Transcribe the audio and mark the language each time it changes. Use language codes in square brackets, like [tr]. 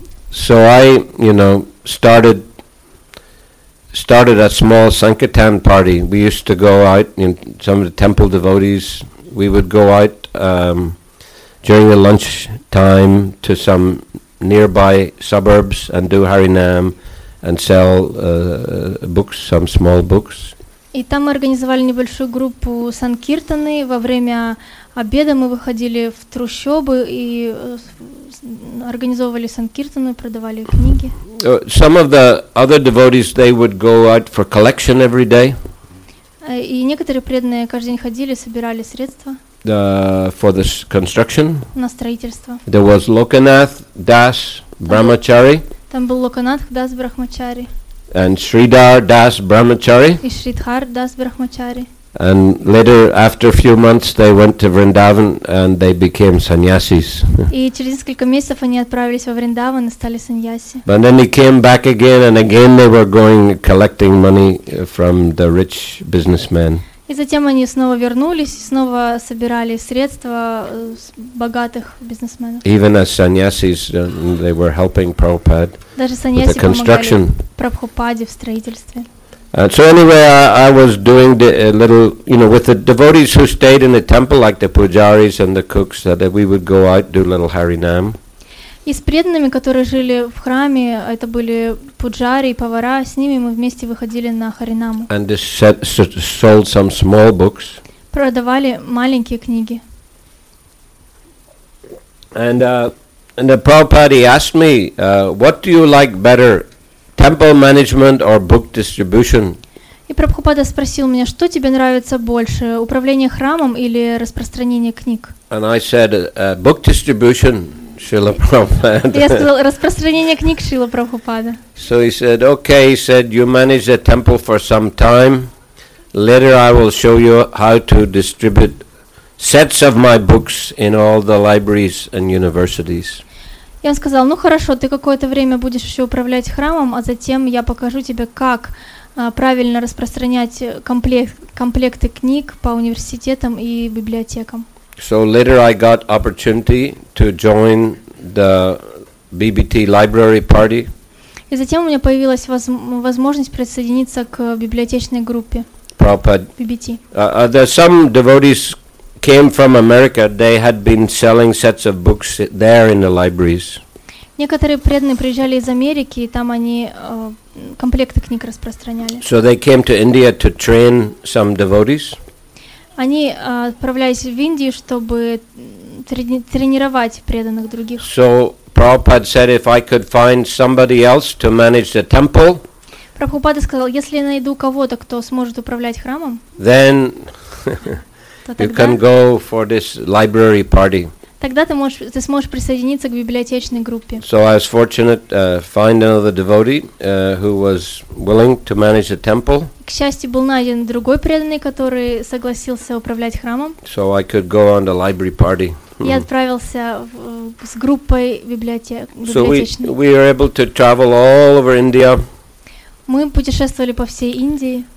[en] So I, you know, started a small sankirtan party. We used to go out, you know, some of the temple devotees, we would go out during the lunch time to some nearby suburbs and do Harinam and sell books, some small books. [ru] И там мы организовали небольшую группу санкиртаны. Во время обеда мы выходили в трущобы и организовывали санкиртаны, продавали книги. [en] Some of the other devotees, they would go out for collection every day. [ru] И некоторые преданные каждый день ходили, собирали средства. [en] For this construction. [ru] На строительство. [en] There was Lokanath Das Brahmachari. [ru] Там был Локанатх Дас Брахмачари. [en] And Sridhar Das Brahmachari. [ru] И Шридхар Дас Брахмачари. [en] And later, after a few months, they went to Vrindavan and they became sannyasis. [ru] И через несколько месяцев они отправились во Вриндаван и стали саньяси. [en] But then they came back again, and again they were going collecting money from the rich businessmen. [ru] И затем они снова вернулись, снова собирали средства богатых бизнесменов. [en] Even as sannyasis, they were helping Prabhupada with the construction. [ru] Даже саньяси помогали Прабхупаде в строительстве. [en] So anyway, I was doing a little, you know, with the devotees who stayed in the temple, like the pujaris and the cooks, that we would go out do little harinam. [ru] И с преданными, которые жили в храме, это были пуджари и повара, с ними мы вместе выходили на харинаму. [en] And they sold some small books. [ru] Продавали маленькие книги. [en] And the Prabhupada asked me, what do you like better, temple management or book distribution? [ru] И Прабхупада спросил меня, что тебе нравится больше, управление храмом или распространение книг? [en] And I said, book distribution. [ru] Шрила Прабхупада. Я сказал, распространение книг Шрила Прабхупада. [en] So he said, okay, he said, you manage the temple for some time. Later I will show you how to distribute sets of my books in all the libraries and universities. [ru] И он сказал, ну хорошо, ты какое-то время будешь еще управлять храмом, а затем я покажу тебе, как правильно распространять комплекты книг по университетам и библиотекам. [en] So later I got opportunity to join the BBT library party. [ru] И затем у меня появилась возможность присоединиться к библиотечной группе. [en] BBT. Some devotees came from America. They had been selling sets of books there in the libraries. [ru] Некоторые преданные приезжали из Америки, и там они комплекты книг распространяли. [en] So they came to India to train some devotees. [ru] Они отправлялись в Индию, чтобы тренировать преданных других. [en] So Prabhupada said, if I could find somebody else to manage the temple. [ru] Прабхупада сказал, если я найду кого-то, кто сможет управлять храмом, [en] then you can go for this library party. [ru] Тогда ты сможешь присоединиться к библиотечной группе. [en] So I was fortunate to find another devotee who was willing to manage the temple. [ru] К счастью, был найден другой преданный, который согласился управлять храмом. [en] So I could go on the library party. [ru] Я отправился с группой библиотечной. [en] So we were able to travel all over India. [ru] Мы путешествовали по всей Индии.